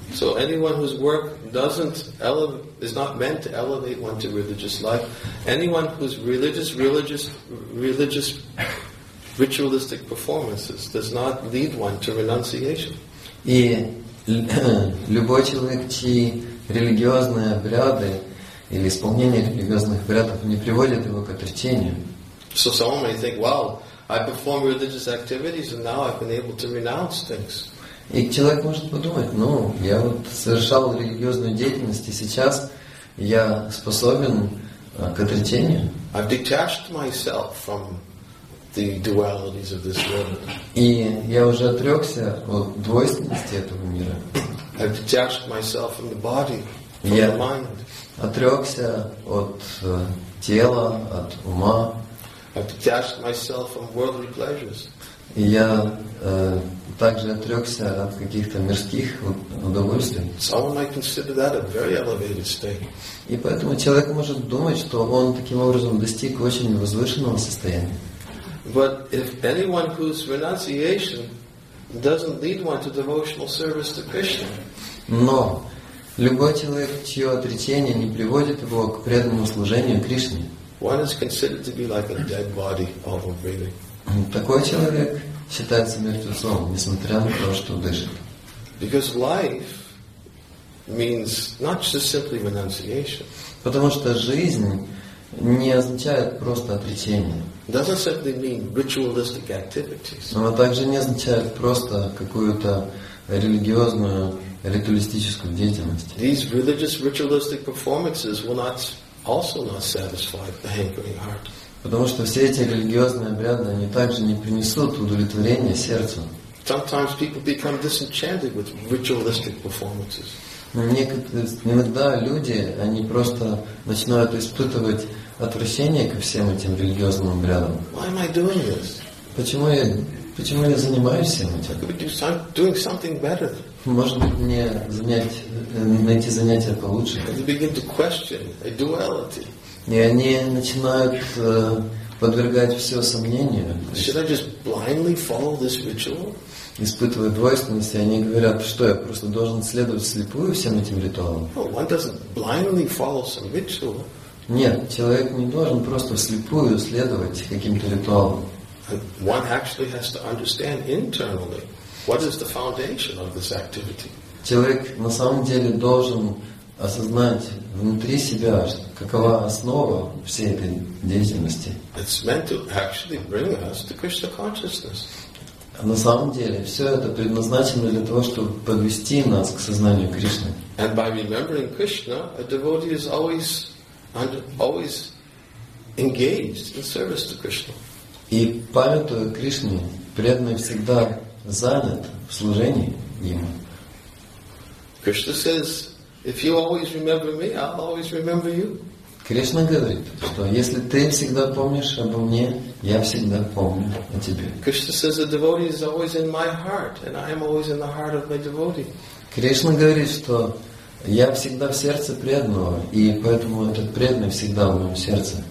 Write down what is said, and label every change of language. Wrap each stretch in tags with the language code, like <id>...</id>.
<en>So anyone whose work is not meant to elevate one to religious life, anyone whose religious ritualistic performances does not lead one to renunciation.</en> <ru>И любой человек, чьи религиозные обряды или исполнение религиозных обрядов не приводит его к отречению.</ru> <en>So someone may think, well, I perform religious activities and now I've been able to renounce things.</en> <ru>И человек может подумать, ну, я вот совершал религиозную деятельность, и сейчас я способен к отречению.</ru> <en>I've detached myself from the dualities of this world.</en> <ru>И я уже отрекся от двойственности этого мира.</ru> <en>I've detached myself from the body, from the mind.</en> <ru>Отрекся от тела, от ума.</ru> <en>I've detached myself from worldly pleasures.</en> <ru>И я также отрекся от каких-то мирских удовольствий.</ru> <en>Someone might consider that a very elevated state.</en> <ru>И поэтому человек может думать, что он таким образом достиг очень возвышенного состояния.</ru> <en>But if anyone whose renunciation doesn't lead one to devotional service to Krishna.</en> <ru>Но любой человек, чье отречение не приводит его к преданному служению Кришне.</ru> <en>One is considered to be like a dead body, although breathing.</en> <ru>Такой человек считается мертвецом, несмотря на то, что дышит.</ru> <en>Because life means not just simply renunciation.</en> <ru>Потому что жизнь не означает просто отречение.</ru> <en>Doesn't simply mean ritualistic activities.</en> <ru>Она также не означает просто какую-то религиозную, ритуалистическую деятельность.</ru> <en>These religious ritualistic performances will not also not satisfy the hankering heart.</en> <ru>Потому что все эти религиозные обряды, они также не принесут удовлетворения сердцу.</ru> <en>Sometimes people become disenchanted with ritualistic performances.</en> <ru>Иногда люди, они просто начинают испытывать отвращение ко всем этим религиозным обрядам.</ru> <en>Why am I doing this?</en> <ru>Почему я занимаюсь всем этим?</ru> <en>I could be doing something better.</en> <ru>Может быть, мне найти занятия получше?</ru> <en>And they begin to question a duality.</en> <ru>И они начинают подвергать все сомнению.</ru> <en>Should I just blindly follow this ritual?</en> <ru>Испытывая двойственность, они говорят, что я просто должен следовать вслепую всем этим ритуалам.</ru> <en>Well, one doesn't blindly follow some ritual.</en> <ru>Нет, человек не должен просто вслепую следовать каким-то ритуалам.</ru> <en>One actually has to understand internally what is the foundation of this activity.</en> <ru>Человек на самом деле должен осознать внутри себя, какова основа всей этой деятельности.</ru> <en>It's meant to actually bring us to Krishna consciousness.</en> <ru>На самом деле, все это предназначено для того, чтобы подвести нас к сознанию Кришны.</ru> <en>And by remembering Krishna, a devotee is always always engaged in service to Krishna.</en> <ru>И памятуя Кришну, преданный всегда занят в служении Ему.</ru> <en>Krishna says, if you always remember me, I'll always remember you.</en> <ru>Кришна говорит, что если ты всегда помнишь обо мне, я всегда помню о тебе.</ru> <en>Krishna says, a devotee is always in my heart, and I am always in the heart of my devotee.</en> <ru>Кришна говорит, что я всегда в сердце преданного, и поэтому этот преданный всегда в моем сердце.</ru>